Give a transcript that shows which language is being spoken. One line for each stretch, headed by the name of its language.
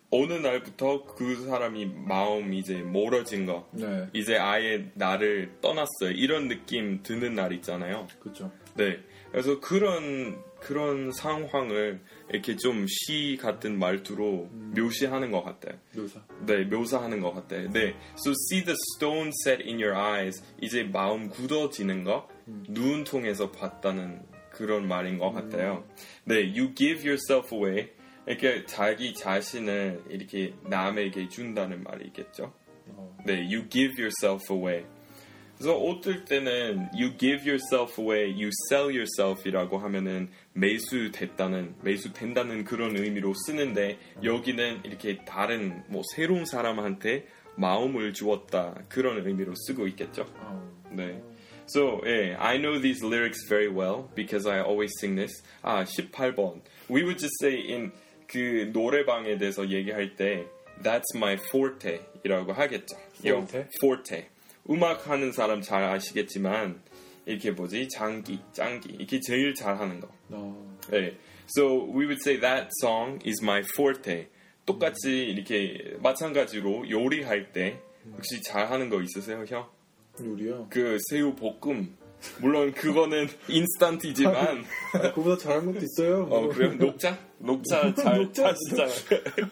Korean: 어느 날부터 그 사람이 마음 이제 멀어진 거 네. 이제 아예 나를 떠났어요. 이런 느낌 드는 날 있잖아요. 그렇죠. 네. 그래서 그런 상황을 이렇게 좀 시 같은 말투로 묘시하는 것 같아요. 묘사하는 것 같아요. 네.
English: So see the stone set in your eyes.
Korean: 이제 마음 굳어지는 거 눈 통해서 봤다는 그런 말인 것 같아요.
English: 네, you give yourself away.
Korean: 이렇게 자기 자신을 이렇게 남에게 준다는 말이겠죠. 네,
English: you give yourself away.
Korean: 그래서 어떨 때는
English: you give yourself away, you sell yourself
Korean: 이라고 하면은 매수된다는 그런 의미로 쓰는데 여기는 이렇게 다른 뭐 새로운 사람한테 마음을 주었다 그런 의미로 쓰고 있겠죠. 네.
English: So, yeah, I know these lyrics very well because I always sing this.
Korean: 아, 18번.
English: We would just say in
Korean: 그 노래방에 대해서 얘기할 때
English: that's my forte
Korean: 이라고 하겠죠.
English: Forte? Forte.
Korean: 음악 하는 사람 잘 아시겠지만 이렇게 뭐지? 장기. 이렇게 제일 잘하는 거.
English: Oh. Yeah. So, we would say that song is my forte.
Korean: 똑같이 이렇게 마찬가지로 요리할 때 혹시 잘하는 거 있으세요, 형? 요리요? 그 새우 볶음 물론 그거는 인스턴트지만 아, 그보다 잘한 것도 있어요. 어 그럼 녹차 잘 타시잖아요.